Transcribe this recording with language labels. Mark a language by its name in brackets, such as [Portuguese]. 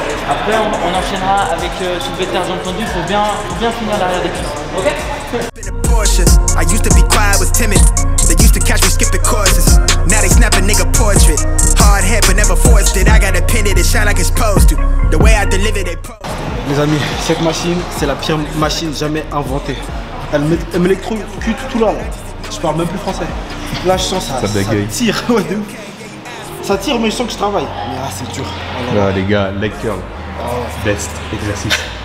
[French] Après, on enchaînera avec soulevé de terre, jambes tendues pour bien finir l'arrière des cuisses. [English] Ok. I used to be quiet, was timid. They used to catch me, skip the courses. Now they snap a nigga portrait. Hard head, but never forced it. I got a pin it, it shine like it's supposed to. The way I deliver it. [French] Mes amis, cette machine, c'est la pire machine jamais inventée. Elle m'électrocute tout là. Je parle même plus français. Là, je sens ça bégaye. Ça tire. Ouais, de ouf. Ça tire, mais je sens que je travaille. Mais là, c'est dur. Oh, là, les gars, leg curl. Oh. Best exercice.